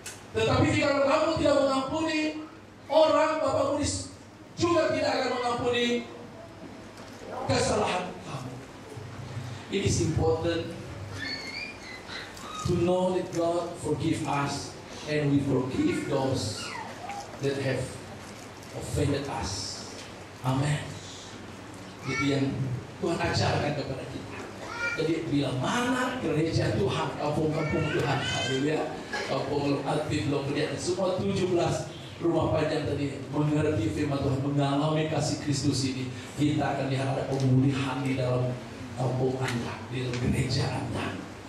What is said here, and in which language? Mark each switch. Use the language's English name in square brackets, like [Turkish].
[Malay] Tetapi jika kamu tidak mengampuni orang, Bapamu juga tidak akan mengampuni kesalahan kamu. [English] It is important to know that God forgive us and we forgive those that have offended us. Amen. [Malay] Itu yang Tuhan ajarkan kepada kita. Jadi bila mana gereja Tuhan, kampung-kampung Tuhan, haleluya, kampung aktif belum melihat semua 17 rumah panjang tadi mengerti firman Tuhan, mengalami kasih Kristus ini, kita akan lihat ada pemulihan di dalam kampung Anda, di dalam gereja Anda.